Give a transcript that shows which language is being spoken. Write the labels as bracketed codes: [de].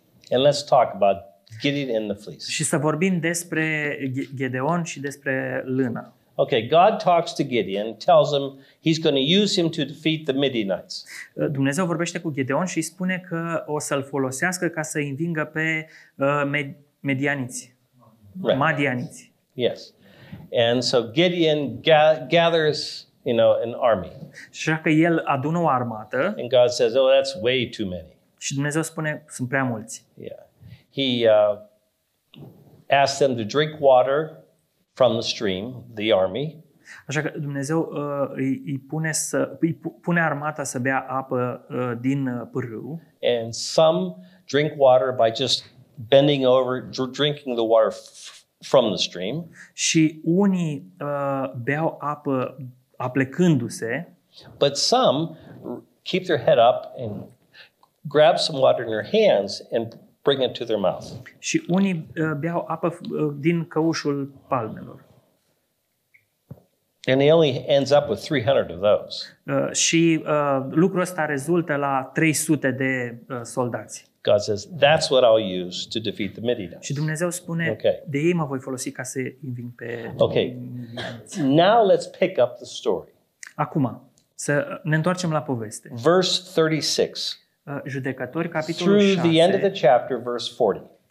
[en] And let's talk about Gideon and the fleece. [ro] Și să vorbim despre Gedeon și despre lână. [en] Okay, God talks to Gideon, tells him he's going to use him to defeat the Midianites. [ro] Dumnezeu vorbește cu Gideon și spune că o să-l folosească ca să învingă pe Midianiți. Right. Madianiți. [en] Yes. And so Gideon gathers, you know, an army. [ro] Și așa că el adună o armată. [en] And God says, "Oh, that's way too many." [ro] Și Dumnezeu spune, sunt prea mulți. Yeah. [en] He asked them to drink water from the stream, the army. [ro] Așa că Dumnezeu îi pune armata să bea apă din pârâu. [en] And some drink water by just bending over, drinking the water from the stream. [ro] Și unii beau apă aplecându-se. [en] But some keep their head up and grab some water in their hands and bring it to their mouth. [ro] Și unii beau apă din căușul palmelor. [en] And he only ends up with 300 of those. [ro] Și lucrul ăsta rezultă la 300 de soldați. [en] God says, "That's what I'll use to defeat the Midianites." [ro] Și Dumnezeu spune, de ei mă voi folosi ca să înving pe Midianiți. [en] Okay. Now let's pick up the story. [ro] Acum, să ne întoarcem la poveste. [en] Verse 36. [ro] Judecători, capitolul [en] through [ro] 6, [en] the end of the chapter, verse 40.